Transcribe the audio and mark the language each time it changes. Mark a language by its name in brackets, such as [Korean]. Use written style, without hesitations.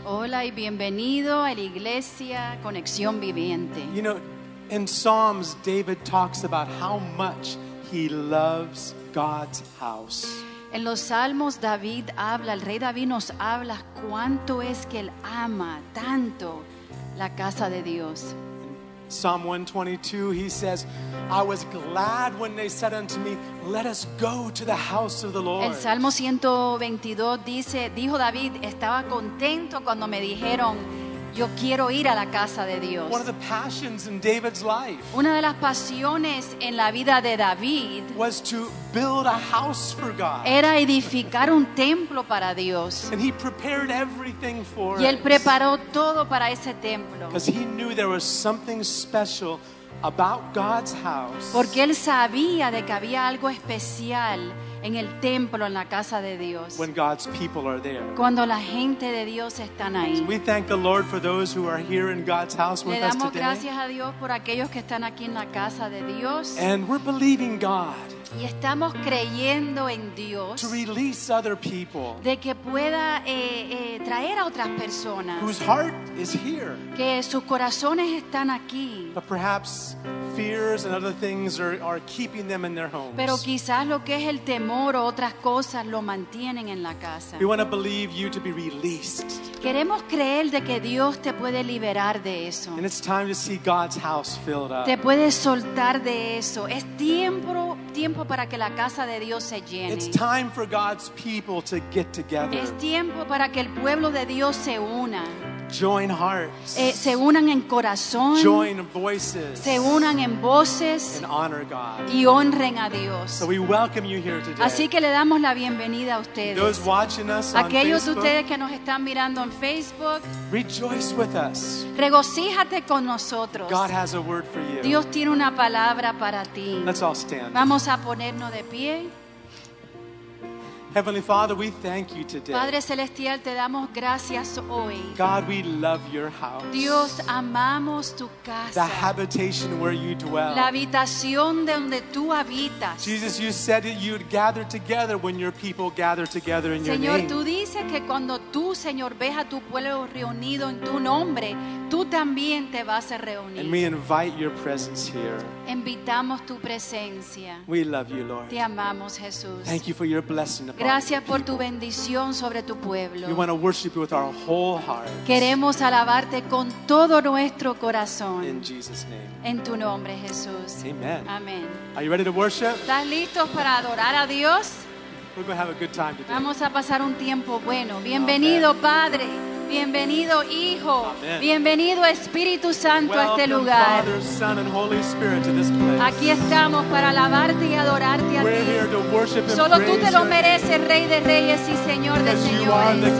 [Spanish] Hola y bienvenido a la iglesia Conexión Viviente. [English] You know, in Psalms, David talks about how much he loves God's house. [Spanish] En los Salmos, David habla, el rey David nos habla cuánto es que él ama tanto la casa de Dios. [English] Psalm 122, he says, I was glad when they said unto me, let us go to the house of the Lord. [Spanish] El Salmo 122 dice, dijo David, estaba contento cuando me dijeron, yo quiero ir a la casa de Dios. [English] One of the passions in David's life. [Spanish] Una de las pasiones en la vida de David [English] was to build a house for God. [Spanish] Era edificar un templo para Dios. [English] And he prepared everything for it. [Spanish] Y él preparó todo para ese templo. [English] Because he knew there was something special about God's house. [Spanish] Porque él sabía de que había algo especial en el templo, en la casa de Dios. [English] When God's people are there. [Spanish] Cuando la gente de Dios están ahí. [English] So we thank the Lord for those who are here in God's house with us today. [Spanish] Le damos gracias a Dios por aquellos que están aquí en la casa de Dios. [English] And we're believing God. [Spanish] Y estamos creyendo en Dios. [English] To release other people. [Spanish] De que pueda traer a otras personas. [English] Whose heart is here. [Spanish] Que sus corazones están aquí. [English] But perhaps fears and other things are keeping them in their homes. [Spanish] Pero quizás lo que es el temor o otras cosas lo mantienen en la casa. [English] We want to believe you to be released. [Spanish] Queremos creer de que Dios te puede liberar de eso. [English] And it's time to see God's house filled up. [Spanish] Te puedes soltar de eso. Es tiempo para que la casa de Dios se llene. [English] It's time for God's people to get together. [Spanish] Es tiempo para que el pueblo de Dios se una. [English] Join hearts. [Spanish] Se unan en corazón. [English] Join voices. [Spanish] Se unan en voces. [English] And honor God. [Spanish] Y honren a Dios. [English] So we welcome you here today. [Spanish] Así que le damos la bienvenida a ustedes. [English] Those watching us on Facebook. [Spanish] Aquellos de ustedes que nos están mirando en Facebook. [English] Rejoice with us. [Spanish] Regocíjate con nosotros. [English] God has a word for you. [Spanish] Dios tiene una palabra para ti. [English] Let's all stand. [Spanish] Vamos a ponernos de pie. [English] Heavenly Father, we thank you today. [Spanish] Padre celestial, te damos gracias hoy. [English] God, we love your house. [Spanish] Dios, amamos tu casa. [English] The habitation where you dwell. [Spanish] La habitación de donde tú habitas. [English] Jesus, you said that you'd gather together when your people gather together in [Spanish] Señor, [English] your name. [Spanish] Señor, tú dices que cuando tú, Señor, ves a tu pueblo reunido en tu nombre, tú también te vas a reunir. [English] And we invite your presence here. [Spanish] Invitamos tu presencia. [English] We love you, Lord. [Spanish] Te amamos, Jesús. [English] Thank you for your blessing. [Spanish] Gracias por tu bendición sobre tu pueblo. [English] We want to worship you with our whole heart. [Spanish] Queremos alabarte con todo nuestro corazón. [English] In Jesus' name. [Spanish] En tu nombre, Jesús. [English] Amen. [Spanish] Amen. [English] Are you ready to worship? [Spanish] ¿Estás listos para adorar a Dios? [English] We're going to have a good time today. [Spanish] Vamos a pasar un tiempo bueno. Bienvenido, Amen. Padre. Bienvenido, Hijo. Amen. Bienvenido, Espíritu Santo, [English] Welcome, [Spanish] a este lugar. [English] Father, Son, and Holy Spirit, to this place. [Spanish] Aquí estamos para alabarte y adorarte a [English] We're [Spanish] ti. [English] Here to worship and [Spanish] Solo tú te lo mereces, Rey de Reyes y Señor de Señores.